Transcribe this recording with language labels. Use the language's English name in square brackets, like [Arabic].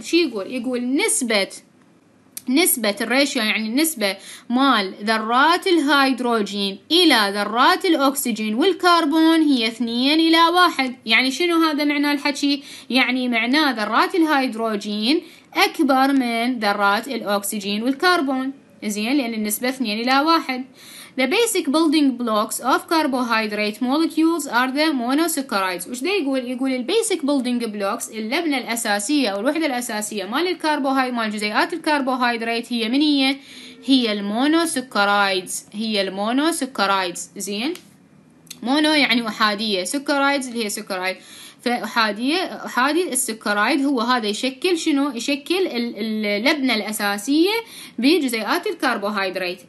[Arabic] شي يقول؟ يقول نسبة الراتيو، يعني النسبة مال ذرات الهيدروجين إلى ذرات الأكسجين والكربون هي 2:1. يعني شنو هذا معنى الحكي؟ يعني معنى ذرات الهيدروجين أكبر من ذرات الأكسجين والكربون، زين، لأن النسبة 2:1. [English] The basic building blocks of carbohydrate molecules are the monosaccharides. [Arabic] وش ده يقول؟ يقول [English] the basic building blocks، [Arabic] اللبنة الأساسية أو الوحدة الأساسية مال الكربوهيدرات، مال جزيئات الكربوهيدرات، هي من هي؟ هي المونوسكرايدز، هي المونوسكرايدز. زين، مونو يعني أحادية، سكرايدز اللي هي سكرايد، فأحادية أحادي السكرايد هو هذا يشكل شنو؟ يشكل اللبنة الأساسية بجزيئات الكربوهيدرات.